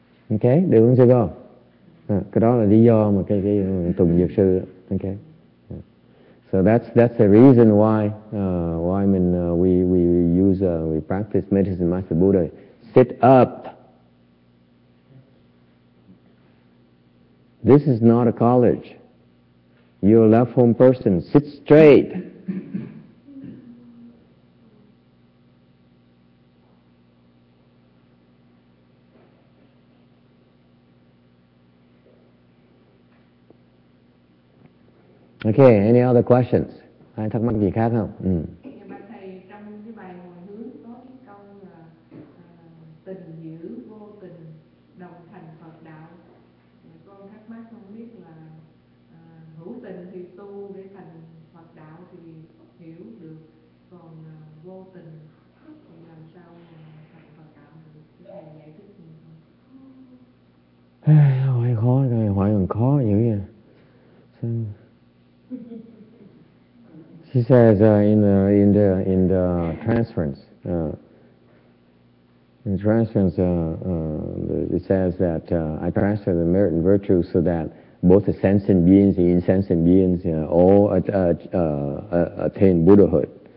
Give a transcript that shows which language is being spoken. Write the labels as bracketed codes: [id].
[vi] Ok, được không sư cô? Cái đó là lý do mà cái Tùng Dược Sư đó. [en] Ok. So that's the reason why I mean we practice Medicine Master Buddha. Sit up. This is not a college. You're a left home person. Sit straight. Okay, any other questions? [vi] Ai thắc mắc gì khác không? Ừ. Bạch thầy, trong cái bài Hồi Hướng có cái câu là tình dữ vô tình đồng thành Phật đạo. Con thắc mắc không biết là hữu tình thì tu để thành Phật đạo thì hiểu được, còn vô tình thì làm sao mà thành Phật đạo được? Thầy giải thích gì không? Hỏi khó rồi, hỏi còn khó dữ vậy. [en] She says in the transference, it says that I transfer the merit and virtue so that both the sentient beings and insentient beings attain Buddhahood.